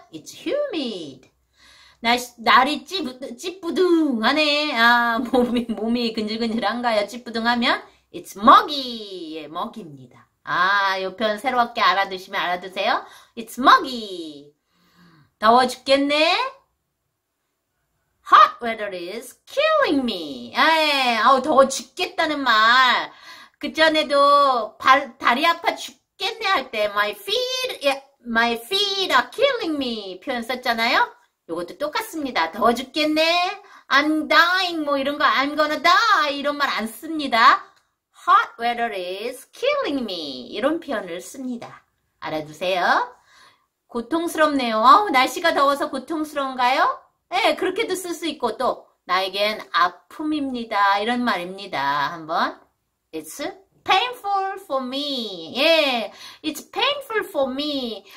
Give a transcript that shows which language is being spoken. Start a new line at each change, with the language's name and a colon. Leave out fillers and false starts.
English: It's humid.
Korean: 날이 찌뿌둥하네. 아, 몸이 근질근질한가요? 찌뿌둥하면?
English: It's muggy.
Korean: 예, 먹입니다. 아, 요 표현 새롭게 알아두시면 알아두세요.
English: It's muggy.
Korean: 더워 죽겠네.
English: Hot weather is killing me.
Korean: 아예, 아우, 더워 죽겠다는 말. 그 전에도 다리 아파 죽겠네 할 때,
English: my feet are killing me
Korean: 표현 썼잖아요? 요것도 똑같습니다. 더워 죽겠네.
English: I'm dying.
Korean: 뭐 이런 거,
English: I'm gonna die.
Korean: 이런 말안 씁니다.
English: Hot weather is killing me.
Korean: 이런 표현을 씁니다. 알아두세요. 고통스럽네요. 어우, 날씨가 더워서 고통스러운가요? 예, 네, 그렇게도 쓸수 있고 또, 나에겐 아픔입니다. 이런 말입니다. 한번.
English: It's painful for me. 예, it's painful for me.